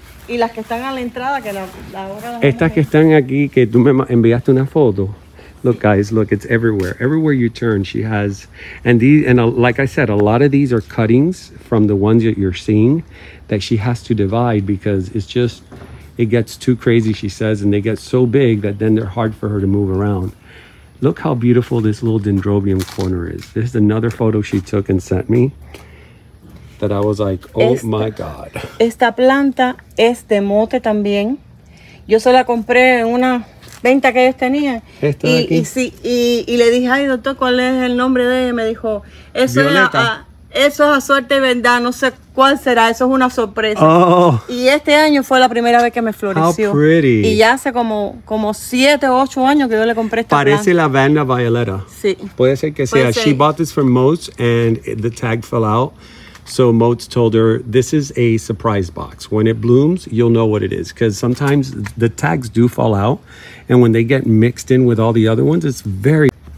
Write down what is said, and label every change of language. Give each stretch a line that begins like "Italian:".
Spanish: Y las que están a la entrada, que la estas que están aquí, que tú me enviaste una foto.
English: Look, guys, look, it's everywhere. Everywhere you turn, she has. And these, and like I said, a lot of these are cuttings from the ones that you're seeing that she has to divide because it's just, it gets too crazy, she says, and they get so big that then they're hard for her to move around. Look how beautiful this little dendrobium corner is. This is another photo she took and sent me. That I was like, oh esta, my God.
Spanish: Esta planta es de mote también. Yo se la compré en una venta que ellos tenían. Esta y, de aquí. Y, sí, y le dije, ay doctor, ¿cuál es el nombre de ella? Me dijo, eso es a suerte vendada. No sé cuál será. Eso es una sorpresa. Oh. Y este año fue la primera vez que me floreció.
English: How pretty.
Spanish: Y ya hace como 7 o 8 años que yo le compré esta parece planta. La lavanda violeta. Sí. Puede ser que sea.
English: She bought this from Moats and the tag fell out. So Moats told her, this is a surprise box. When it blooms, you'll know what it is. Because sometimes the tags do fall out. And when they get mixed in with all the other ones, it's very...